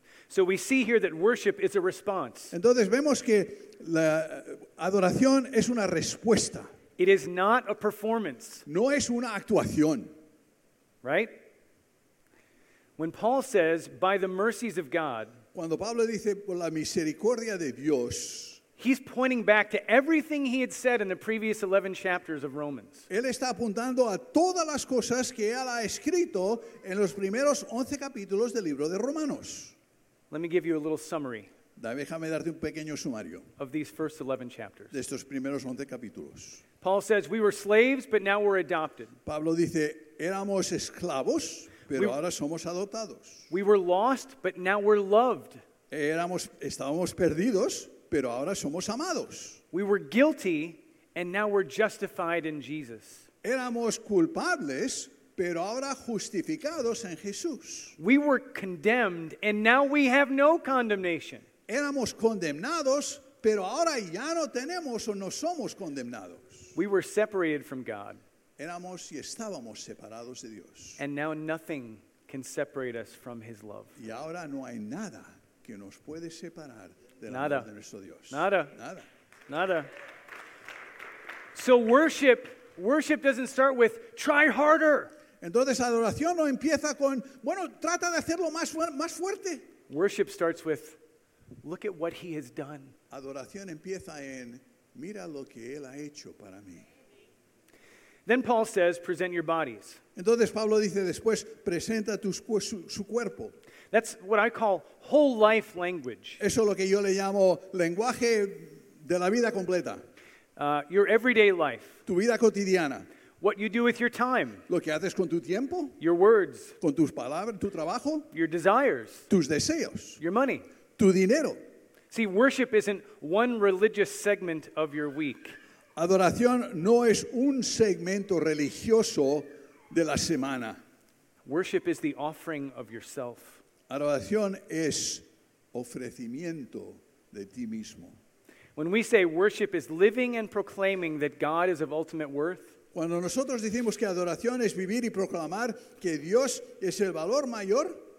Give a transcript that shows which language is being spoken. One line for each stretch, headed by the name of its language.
English: So we see here that worship is a response.
Spanish: Entonces vemos que la adoración es una respuesta.
English: It is not a performance.
Spanish: No es una actuación.
English: Right? When Paul says, by the mercies of God,
Spanish: cuando Pablo dice, por la misericordia de Dios,
English: he's pointing back to everything he had said in the previous 11 chapters of Romans.
Spanish: Él está apuntando a todas las cosas que él ha escrito en los primeros 11 capítulos del libro de Romanos.
English: Let me give you a little summary.
Spanish: Déjame darte un pequeño sumario.
English: Of these first 11 chapters.
Spanish: De estos primeros 11 capítulos.
English: Paul says, we were slaves, but now we're adopted.
Spanish: Pablo dice, éramos esclavos, pero ahora somos adoptados.
English: We were lost, but now we're loved.
Spanish: Estábamos perdidos, pero ahora somos amados.
English: We were guilty, and now we're justified in Jesus.
Spanish: Éramos culpables, pero ahora justificados en Jesús.
English: We were condemned, and now we have no condemnation.
Spanish: Éramos condenados, pero ahora ya no tenemos o no somos condenados.
English: We were separated from God.
Spanish: Éramos y estábamos separados de Dios.
English: And now nothing can separate us from His love.
Spanish: Y ahora no hay nada que nos puede separar del nada. Amor de nuestro Dios. Nada. Nada. Nada.
English: So worship doesn't start with try harder.
Spanish: Entonces adoración no empieza con bueno, trata de hacerlo más fuerte.
English: Worship starts with look at what He has done.
Spanish: Adoración empieza en mira lo que él ha hecho para mí.
English: Then Paul says, present your bodies.
Spanish: Entonces Pablo dice después, presenta su cuerpo.
English: That's what I call whole life language.
Spanish: Eso es lo que yo le llamo lenguaje de la vida completa.
English: Your everyday life.
Spanish: Tu vida cotidiana.
English: What you do with your time.
Spanish: Lo que haces con tu tiempo.
English: Your words.
Spanish: Con tus palabras, tu trabajo.
English: Your desires.
Spanish: Tus deseos.
English: Your money.
Spanish: Tu dinero.
English: See, worship isn't one religious segment of your week.
Spanish: Adoración no es un segmento religioso de la semana.
English: Worship is the offering of yourself.
Spanish: Adoración es ofrecimiento de ti mismo.
English: When we say worship is living and proclaiming that God is of ultimate worth,
Spanish: cuando nosotros decimos que adoración es vivir y proclamar que Dios es el valor mayor,